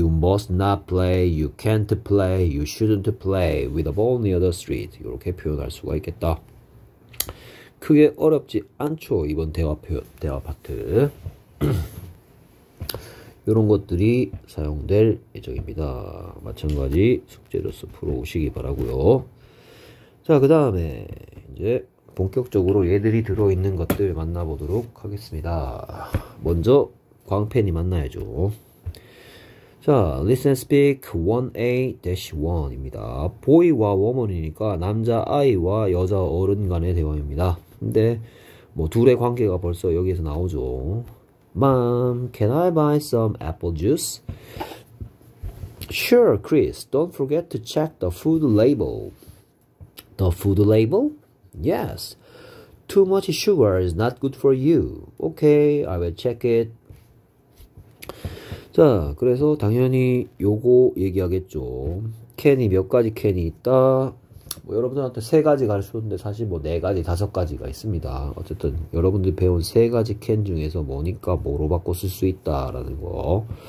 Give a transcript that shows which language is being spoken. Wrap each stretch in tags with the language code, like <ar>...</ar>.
<en>You must not play, you can't play, you shouldn't play with a ball near the street.</en> <ko>이렇게 표현할 수가 있겠다. 크게 어렵지 않죠, 이번 대화 파트. 이런 것들이 사용될 예정입니다. 마찬가지 숙제로서 풀어오시기 바라고요. 자, 그 다음에 이제 본격적으로 얘들이 들어있는 것들 만나보도록 하겠습니다. 먼저 광팬이 만나야죠. 자, Listen Speak 1A-1입니다. Boy와 Woman이니까 남자아이와 여자 어른 간의 대화입니다. 근데 뭐 둘의 관계가 벌써 여기에서 나오죠.</ko> <en>Mom, can I buy some apple juice? Sure, Chris. Don't forget to check the food label. The food label? Yes. Too much sugar is not good for you. Okay, I will check it.</en> <ko>자, 그래서 당연히 요거 얘기하겠죠. 캔이 몇 가지 캔이 있다? 뭐 여러분들한테 세 가지 가르쳤는데 사실 뭐네 가지, 다섯 가지가 있습니다. 어쨌든 여러분들이 배운 세 가지 캔 중에서 뭐니까 뭐로 바꿔 쓸수 있다라는 거.</ko>